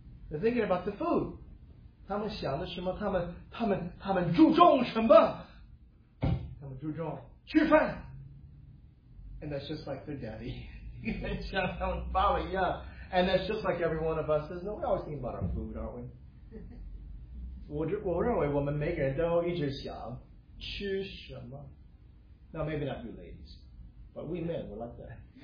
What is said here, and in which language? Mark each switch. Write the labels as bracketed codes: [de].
[zh] 爸爸的哥哥的身体可以受到，你的身体受不了了。 [en] They're thinking about the food. [zh] 他们想的什么？他们注重什么？他们注重吃饭。 [en] And that's just like their daddy. [zh] 像他们爸爸一样。 [en] And that's just like every one of us. We always thinking about our food, aren't we? [zh] 我认为我们每个人都一直想吃什么。 [en] Now maybe not you ladies, but we men were like that.